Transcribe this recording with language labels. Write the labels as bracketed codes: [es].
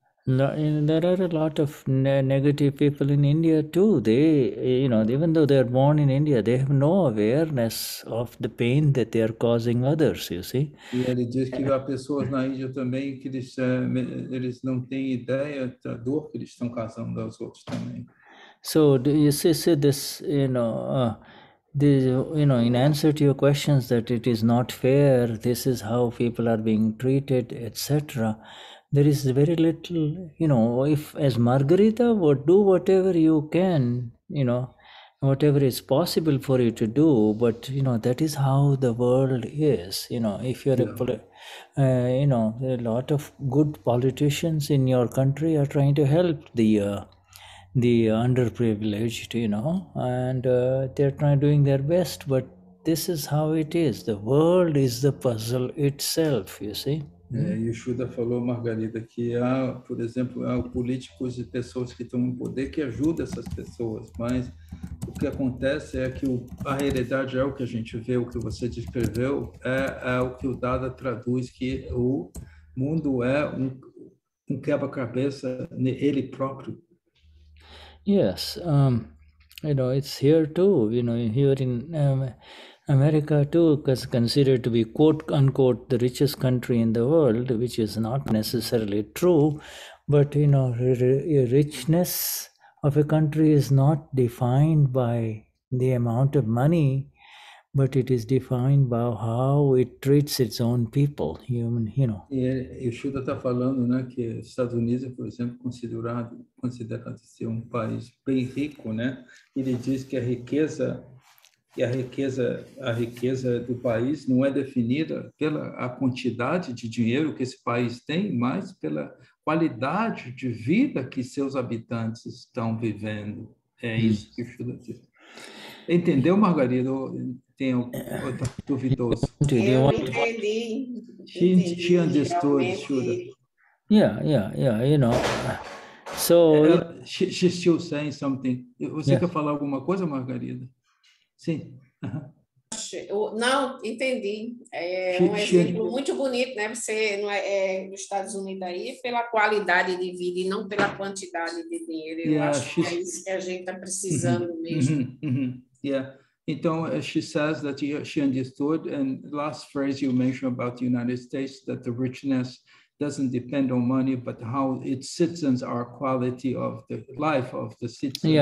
[en] There are a lot of negative people in India too. They, you know, even though they are born in India, they have no awareness of the pain that they are causing others, you see. [pt] E ele diz que há pessoas na Índia também que eles não têm ideia da dor que eles estão causando aos outros também. [en] So, do you see this, you know, in answer to your questions that it is not fair, this is how people are being treated, etc. There is very little, you know, if as Margarita would do whatever you can, you know, whatever is possible for you to do, but, you know, that is how the world is, you know, if you're you know, a lot of good politicians in your country are trying to help the underprivileged, you know, and they're trying doing their best, but this is how it is. The world is the puzzle itself, you see. E o Shuddha falou, Margarida, que há, por exemplo, há políticos e pessoas que estão em poder que ajudam essas pessoas, mas o que acontece é que a realidade é o que a gente vê, o que você descreveu, é o que o Dada traduz, que o mundo é um quebra-cabeça nele próprio. Yes, you know, it's here too, you know, here in America too is considered to be quote unquote the richest country in the world, which is not necessarily true, but you know, richness of a country is not defined by the amount of money, but it is defined by how it treats its own people, human, you know. [pt] E o Shuddha está falando, né, que Estados Unidos, por exemplo, considerado ser um país bem rico, né? Ele diz que a riqueza do país não é definida pela a quantidade de dinheiro que esse país tem, mas pela qualidade de vida que seus habitantes estão vivendo. É isso que o Shuddha diz. Entendeu, Margarida? Tenho duvidoso. Eu entendi. [en] She understood, Shuddha. Yeah, you know. So she's still saying something. [pt] Você quer falar alguma coisa, Margarida? Sim. Não, entendi. Exemplo muito bonito, né? Você não é nos Estados Unidos aí, pela qualidade de vida e não pela quantidade de dinheiro. Eu acho que é isso que a gente está precisando mesmo. [en] Yeah. [pt] Então, [en] she says that she understood, and last phrase you mentioned about the United States, that the richness doesn't depend on money, but how its citizens are quality of the life of the citizens.